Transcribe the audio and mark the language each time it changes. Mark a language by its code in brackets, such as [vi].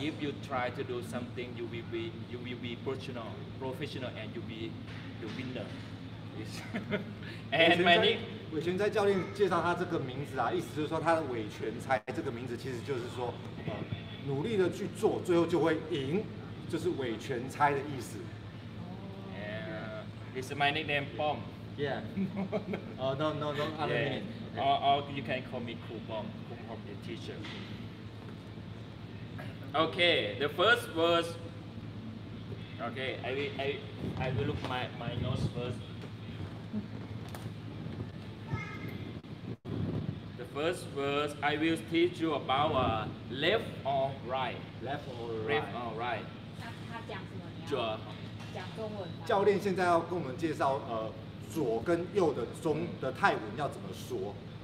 [en] If you try to do something, you will be professional, and you will be the winner. Yes. And my name. [zh] 韦拳猜教练介绍他这个名字啊，意思就是说他的韦拳猜这个名字其实就是说，努力的去做，最后就会赢，就是韦拳猜的意思。 [en] Yeah, it's my nickname Bomb. Yeah. Oh no, other name. Yeah. Or you can call me Cool Bomb, Cool Bomb the teacher. Okay, the first word. Okay, I will look my notes first. first verse, I will teach you about left or right. Left or right. Left or right. [zh] 他讲什么？左。讲中文。教练现在要跟我们介绍左跟右的中的泰文要怎么说。